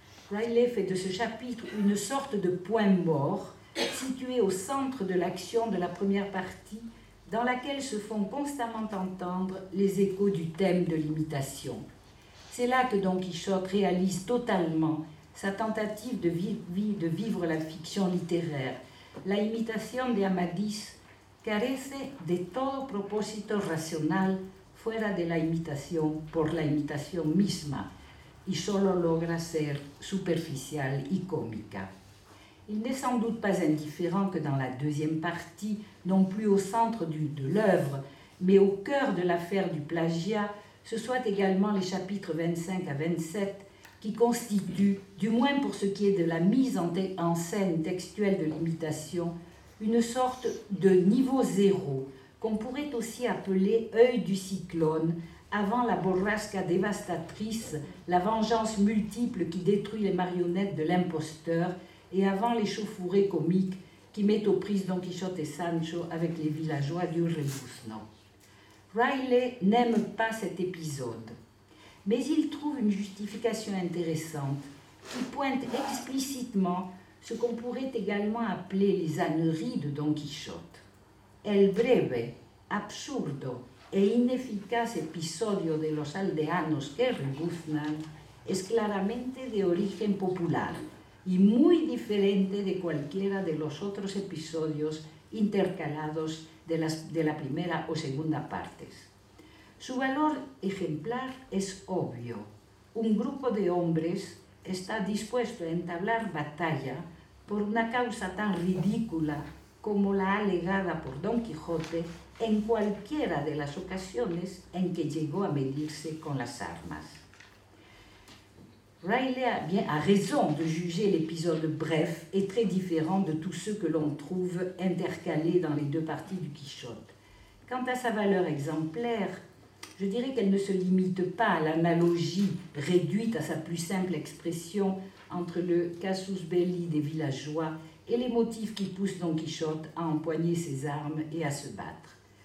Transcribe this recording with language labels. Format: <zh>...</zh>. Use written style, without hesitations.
<fr>Riley fait de ce chapitre une sorte de point mort situé au centre de l'action de la première partie dans laquelle se font constamment entendre les échos du thème de l'imitation. C'est là que Don Quichotte réalise totalement sa tentative de vivre la fiction littéraire.</fr> <es>La imitation de Amadís carece de todo propósito racional fuera de la imitación por la imitación misma y solo logra ser superficial y cómica.</es> <fr>Il n'est sans doute pas indifférent que dans la deuxième partie, non plus au centre de l'œuvre, mais au cœur de l'affaire du plagiat, ce soit également les chapitres 25 à 27 qui constituent, du moins pour ce qui est de la mise en scène textuelle de l'imitation, une sorte de niveau zéro, qu'on pourrait aussi appeler « œil du cyclone », avant la borrasca dévastatrice, la vengeance multiple qui détruit les marionnettes de l'imposteur, et avant les chauffourées comiques qui mettent aux prises Don Quichotte et Sancho avec les villageois du Rebusno. Riley n'aime pas cet épisode, mais il trouve une justification intéressante qui pointe explicitement ce qu'on pourrait également appeler les âneries de Don Quichotte.</fr> <es>El breve, absurdo e inefficace episodio de los aldeanos que rebuznan es claramente de origen popular y muy diferente de cualquiera de los otros episodios intercalados de la primera o segunda partes. Su valor ejemplar es obvio. Un grupo de hombres está dispuesto a entablar batalla por una causa tan ridícula como la alegada por Don Quijote en cualquiera de las ocasiones en que llegó a medirse con las armas.</es> <fr>Riley a raison de juger l'épisode bref et très différent de tous ceux que l'on trouve intercalés dans les deux parties du Quichotte. Quant à sa valeur exemplaire, je dirais qu'elle ne se limite pas à l'analogie réduite à sa plus simple expression entre le casus belli des villageois et les motifs qui poussent Don Quichotte à empoigner ses armes et à se battre.</fr>